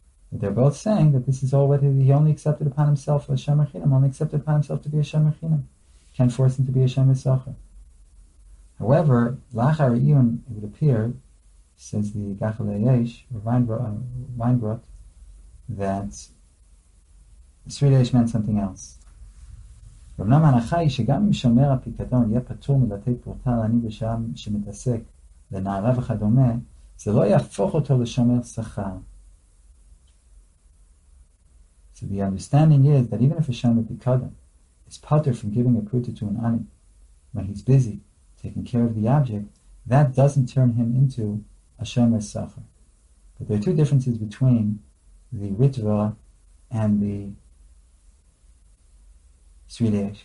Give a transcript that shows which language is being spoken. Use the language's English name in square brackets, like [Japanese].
[English] But they're both saying that this is all what he only accepted upon himself as Shemar Chinam, only accepted upon himself to be a Shemar Chinam. Can't force him to be a Shemar Socher. However, [Hebrew] Lachar Iyun, [English] it would appear, says the Gachalei Yesh, or Weinbrot, that the three days meant something else. [Hebrew] אמנם ההנחה היא שגם אם שומר הפיקדון יהיה פטור מלתת פרוטה לעני בשעה שמתעסק לנערה וכדומה, זה לא יהפוך אותו לשומר שכר. [English] So the understanding is that even if a shomer pikadon is potter from giving a pruta to an ani when he's busy taking care of the object, that doesn't turn him into a shomer sachar. But there are two differences between the ritva and the Sridesh.